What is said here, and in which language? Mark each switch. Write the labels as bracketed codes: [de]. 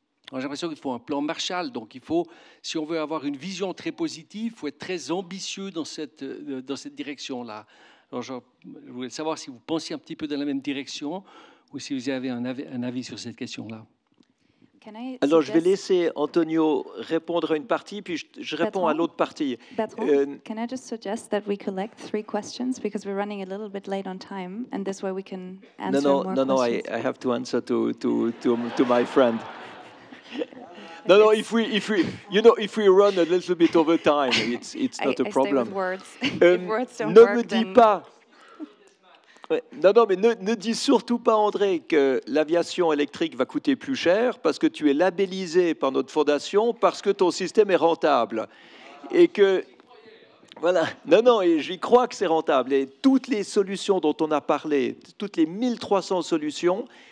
[fr] Alors, j'ai l'impression qu'il faut un plan Marshall. Donc, il faut, si on veut avoir une vision très positive, il faut être très ambitieux dans cette direction-là. Alors, je voulais savoir si vous pensez un petit peu dans la même direction ou si vous avez un avis sur cette question-là. Alors, je vais laisser Antonio répondre à une partie, puis je réponds Bertrand, à l'autre partie. [en] Can I just suggest that we collect three questions because we're running a little bit late on time, and this way we can answer more questions. No, I have to answer to my friend. No, no. If we run a little bit over time, it's not a problem. I stay with words. If words don't work, [fr] ne me dis pas. Mais ne dis surtout pas, André, que l'aviation électrique va coûter plus cher parce que tu es labellisé par notre fondation parce que ton système est rentable et que voilà. Non. Et j'y crois que c'est rentable. Et toutes les solutions dont on a parlé, toutes les 1300 solutions,